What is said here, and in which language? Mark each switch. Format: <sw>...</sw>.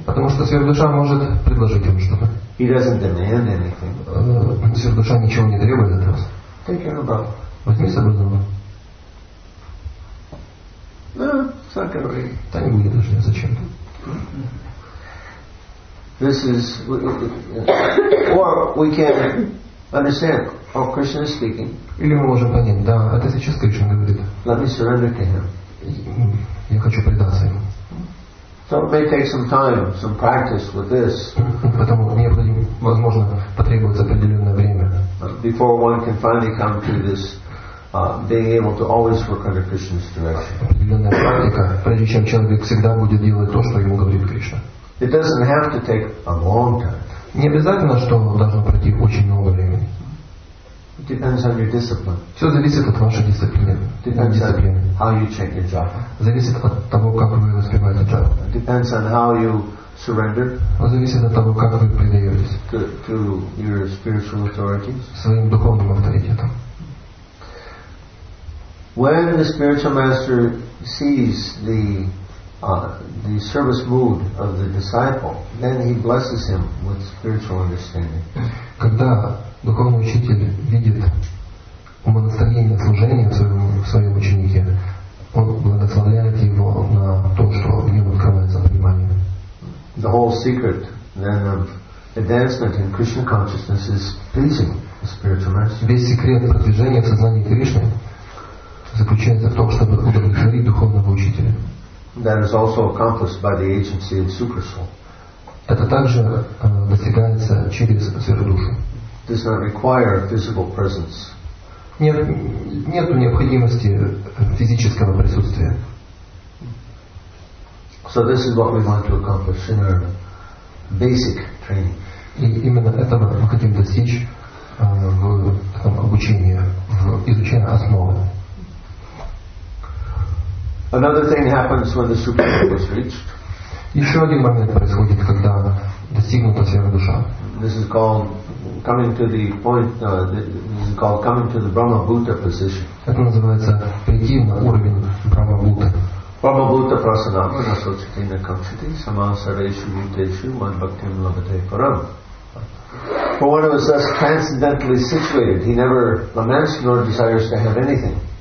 <ru>Потому что сверхдуша может предложить вам что-то.</ru> <en>He doesn't demand anything.</en> <ru>Сверхдуша ничего не требует от вас.</ru> <en>Take care of it.</en> <ru>Возьми собой дома. Ну, сакари. Да не будет уже, зачем?</ru> <en>This is, or we can understand, how Krishna is speaking.</en> <ru>Или мы можем понять, да, это сейчас Кришна говорит.</ru> <en>Let me surrender to him.</en> <ru>Я хочу предаться ему.</ru> <en>So it may take some time, some practice with this.</en> <ru>Потому необходимо, возможно, потребуется определенное время.</ru> <en>Before one can finally come to this. Being able to always work under Krishna's direction.</en> <ru>Определенная практика, прежде чем человек всегда будет делать то, что ему говорит Кришна.</ru> <en>It doesn't have to take a long time.</en> <ru>Не обязательно, что должно пройти очень много времени.</ru> <en>It depends on your discipline.</en> <ru>Все зависит от вашей дисциплины.</ru> <en>Depends on how you chant your japa.</en> <ru>Зависит от того, как вы воспеваете джапу.</ru> <en>It depends on how you surrender.</en> <ru>Зависит от того, как вы предаетесь.</ru> <en>To your spiritual authorities.</en> <ru>Своим духовным авторитетом.</ru> <en>When the spiritual master sees the service mood of the disciple, then he blesses him with spiritual understanding.</en> <ru>Когда духовный учитель видит умонастроение служения в своем ученике, он благословляет его на то, что в нем открывается понимание.</ru> <en>The whole secret then of advancement in Krishna consciousness is pleasing the spiritual master.</en> <ru>Весь секрет продвижения в сознании Кришны заключается в том, чтобы удовлетворить духовного учителя.</ru> <en>That is also accomplished by the agency of super soul.</en> <ru>Это также достигается через сверхдушу.</ru> <en>Does not require physical presence.</en> <ru>Нет необходимости физического присутствия.</ru> <en>So this is what we want to accomplish in our basic training.</en> <ru>И именно этого мы хотим достичь в этом обучении, в изучении основы.</ru> <en>Another thing happens when the super soul is reached.</en> <ru>Еще один момент происходит, когда достигнута сфера душа.</ru> <en>This is called coming to the point. This is called coming to the Brahma Bhuta position.</en> <ru>Это называется прийти на уровень Брахма Бхута.</ru> <sa>Brahma Bhuta prasadama nasochitina kamchiti samasareshu bhuteshu man bhaktim lavate param.</sa> <en>For one who is thus transcendentally situated, he never laments nor desires to have anything.</en>